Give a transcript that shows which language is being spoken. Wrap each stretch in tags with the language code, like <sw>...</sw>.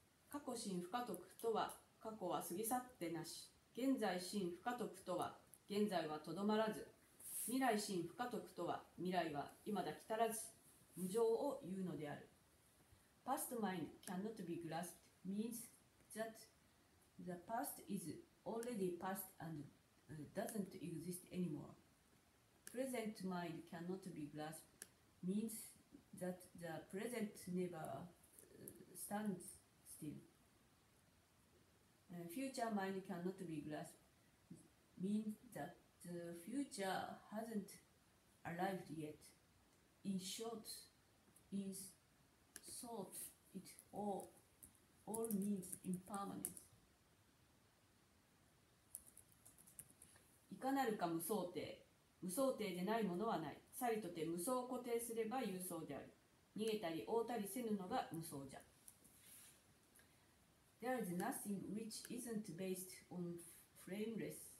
<ja>過去心不可得とは、過去は過ぎ去ってなし。現在心不可得とは、現在はとどまらず。未来心不可得とは、未来は今だ来たらず。無常を言うのである。</ja> <en>Past mind cannot be grasped means that the past is already past and doesn't exist anymore. Present mind cannot be grasped means that the present never stands still. Future mind cannot be grasped means that the future hasn't arrived yet. In short, isThought it all means impermanence.</en> <ja>如何なるか無想定。無想定でないものはない。さりとて無想を固定すれば有想である。逃げたり追ったりせぬのが無想じゃ。</ja> <en>There is nothing which isn't based on framelessness.</en>